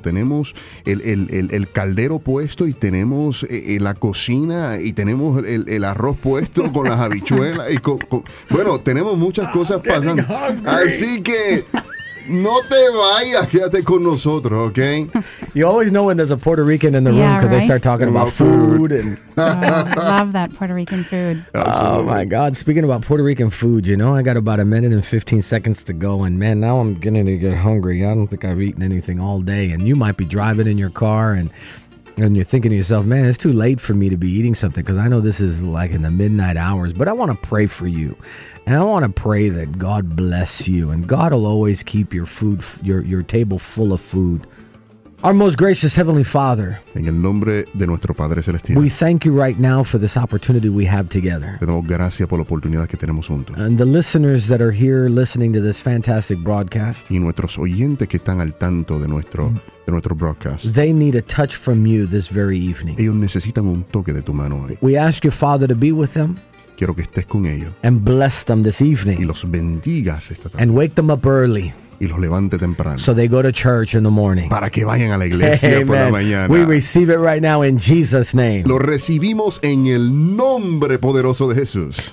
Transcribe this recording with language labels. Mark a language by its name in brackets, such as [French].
[Spanish] Tenemos el caldero puesto y tenemos la cocina y tenemos el arroz puesto con las habichuelas. Y bueno, tenemos muchas cosas pasando. Así que no te vayas, quédate con nosotros, ¿ok? [English] You always know when there's a Puerto Rican in the room because they start talking about food. And love that Puerto Rican food. Absolutely. Oh, my God. Speaking about Puerto Rican food, you know, I got about a minute and 15 seconds to go. And, man, now I'm getting to get hungry. I don't think I've eaten anything all day. And you might be driving in your car and you're thinking to yourself, man, it's too late for me to be eating something because I know this is like in the midnight hours. But I want to pray for you. And I want to pray that God bless you, and God will always keep your table full of food. Our most gracious Heavenly Father, [Spanish] en el nombre de nuestro Padre Celestial, [English] we thank you right now for this opportunity we have together. [Spanish] Te damos gracias por la oportunidad que tenemos juntos. [English] And the listeners that are here listening to this fantastic broadcast, [Spanish] y nuestros oyentes que están al tanto de nuestro, de nuestro broadcast, [English] they need a touch from you this very evening. [Spanish] Ellos necesitan un toque de tu mano hoy. [English] We ask you, Father, to be with them. [Spanish] Quiero que estés con ellos. [English] And bless them this evening. [Spanish] Y los bendigas esta tarde. [English] And wake them up early. [Spanish] Y los levante temprano. [English] So they go to church in the morning. [Spanish] Para que vayan a la iglesia [English] Amen. [Spanish] Por la mañana. [English] We receive it right now in Jesus' name. [Spanish] Lo recibimos en el nombre poderoso de Jesús.